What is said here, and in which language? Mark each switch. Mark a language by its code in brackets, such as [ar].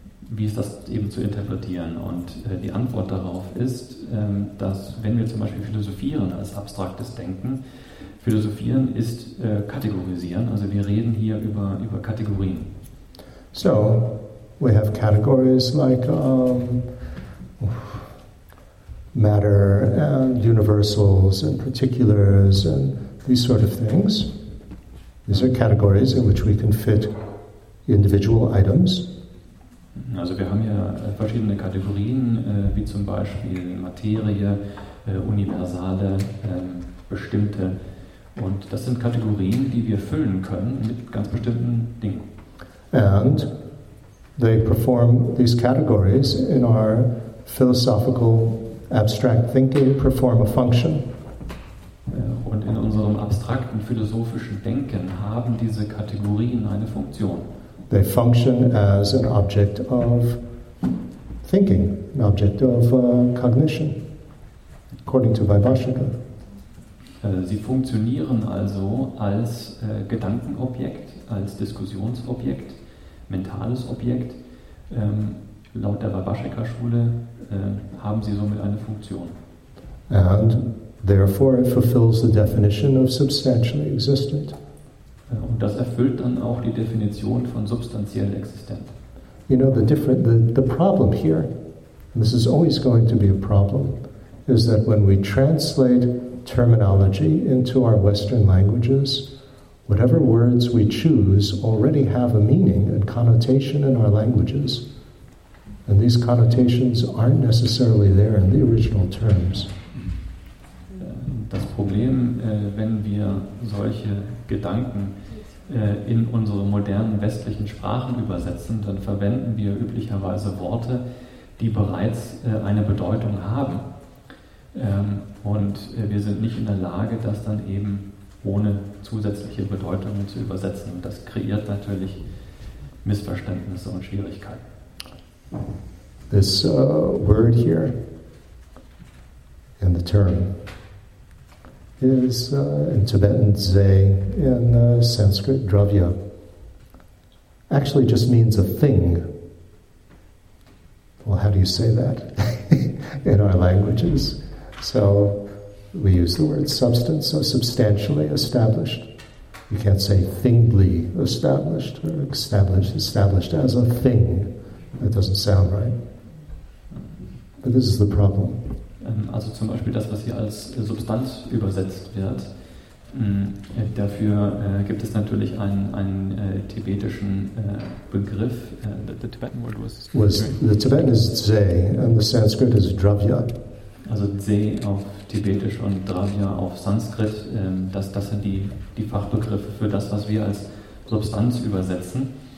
[de] Wie ist das eben zu interpretieren? Und die Antwort darauf ist, dass wenn wir zum Beispiel philosophieren als abstraktes Denken, philosophieren ist kategorisieren, also wir reden hier über Kategorien. [en] So, we have categories like matter and universals and particulars and these sort of things. These are categories in which we can fit individual items. [de] Also wir haben ja verschiedene Kategorien, wie zum Beispiel Materie, universale, bestimmte. Und das sind Kategorien, die wir füllen können mit ganz bestimmten Dingen. [en] And they perform these categories in our philosophical abstract thinking perform a function. [de] Und in unserem abstrakten philosophischen Denken haben diese Kategorien eine Funktion. [en] They function as an object of thinking, an object of cognition, according to Vaibhashika. [de] Sie funktionieren also als Gedankenobjekt, als Diskussionsobjekt, mentales Objekt. Laut der Vaibhashika-Schule haben sie somit eine Funktion. [en] And therefore it fulfills the definition of substantially existent. [de] Und das erfüllt dann auch die Definition von substanziell existent. [en] You know, the problem here, and this is always going to be a problem, is that when we translate terminology into our Western languages, whatever words we choose already have a meaning and connotation in our languages, and these connotations aren't necessarily there in the original terms. [de] das Problem, wenn wir solche Gedanken in unsere modernen westlichen Sprachen übersetzen, dann verwenden wir üblicherweise Worte, die bereits eine Bedeutung haben. Und wir sind nicht in der Lage, das dann eben ohne zusätzliche Bedeutungen zu übersetzen. Und das kreiert natürlich Missverständnisse und Schwierigkeiten. [en] This word here and the term is in Tibetan ze, in Sanskrit dravya, actually just means a thing. Well, how do you say that in our languages? So we use the word substance, so substantially established. You can't say thingly established, or established as a thing. That doesn't sound right. But this is the problem. [de] Also zum Beispiel das, was hier als Substanz übersetzt wird, dafür gibt es natürlich einen tibetischen Begriff. [en] The Tibetan word was... The Tibetan is tse, and the Sanskrit is dravya. [de] Also tse auf Tibetisch und dravya auf Sanskrit, das sind die Fachbegriffe für das, was wir als Substanz übersetzen.